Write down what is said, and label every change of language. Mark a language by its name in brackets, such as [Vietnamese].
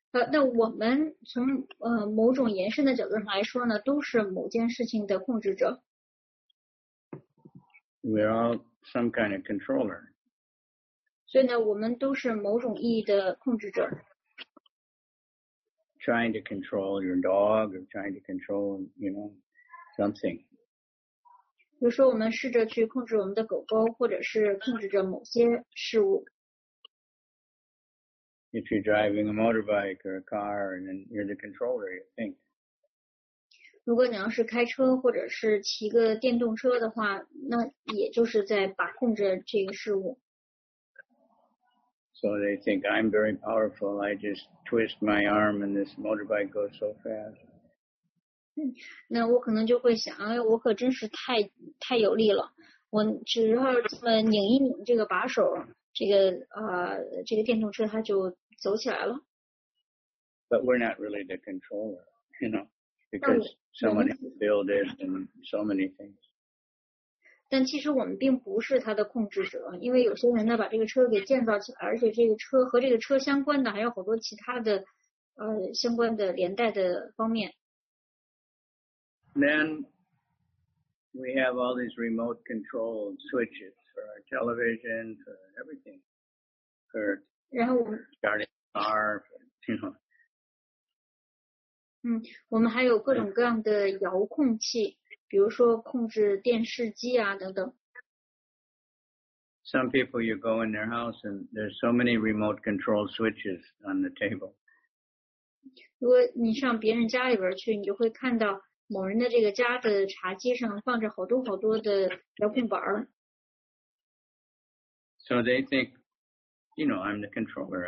[Chinese] 那我们从某种延伸的角度上来说呢，都是某件事情的控制者。 [English] We're all some kind of controller. [Chinese] 所以呢，我们都是某种意义的控制者。 [English] Trying to control your dog, or trying to control, you know, something. [Chinese] 比如说，我们试着去控制我们的狗狗，或者是控制着某些事物。 [English] If you're driving a motorbike or a car, and then you're the controller, you think. [Chinese] 如果你要是开车或者是骑个电动车的话，那也就是在把控着这个事物。 [English] So they think I'm very powerful. I just twist my arm and this motorbike goes so fast. [Chinese] 那我可能就会想，哎，我可真是太有力了。我只要这么拧一拧这个把手，这个电动车它就走起来了。 [English] But we're not really the controller, you know. Because someone has built it and so many things. [Chinese] 但其实我们并不是他的控制者，因为有些人呢把这个车给建造起来，而且这个车和这个车相关的还有好多其他的相关的连带的方面。 [English] Then we have all these remote control switches for our television, for everything, for starting car, for, you know. [Chinese] 我们还有各种各样的遥控器，比如说控制电视机啊等等。 [English] Some people you go in their house and there's so many remote control switches on the table. [Chinese] 如果你上别人家里边去，你就会看到某人的这个家的茶几上放着好多好多的遥控板。 [English] So they think, you know, I'm the controller.